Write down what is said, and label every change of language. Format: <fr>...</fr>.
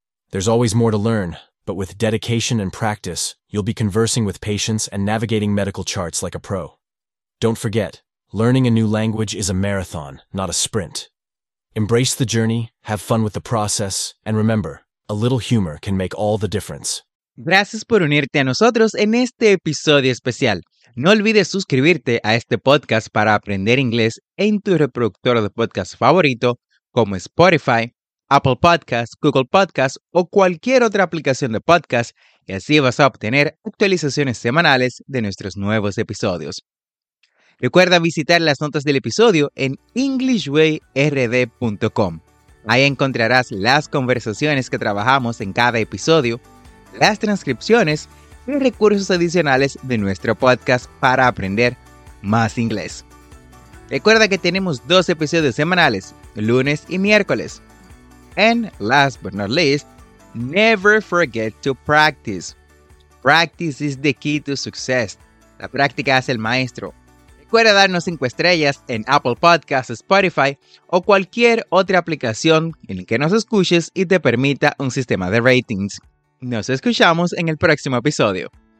<en>There's always more to learn, but with dedication and practice, you'll be conversing with patients and navigating medical charts like a pro. Don't forget, learning a new language is a marathon, not a sprint. Embrace the journey, have fun with the process, and remember, a little humor can make all the difference.</en> <es>Gracias por unirte a nosotros en este episodio especial. No olvides suscribirte a este podcast para aprender inglés en tu reproductor de podcast favorito como Spotify, Apple Podcasts, Google Podcasts o cualquier otra aplicación de podcast y así vas a obtener actualizaciones semanales de nuestros nuevos episodios. Recuerda visitar las notas del episodio en EnglishWayRD.com. Ahí encontrarás las conversaciones que trabajamos en cada episodio, las transcripciones y recursos adicionales de nuestro podcast para aprender más inglés. Recuerda que tenemos dos episodios semanales, lunes y miércoles.</es> <en>And last but not least, never forget to practice. Practice is the key to success.</en> <es>La práctica hace el maestro. Recuerda darnos 5 estrellas en Apple Podcasts, Spotify o cualquier otra aplicación en la que nos escuches y te permita un sistema de ratings. Nos escuchamos en el próximo episodio.</es>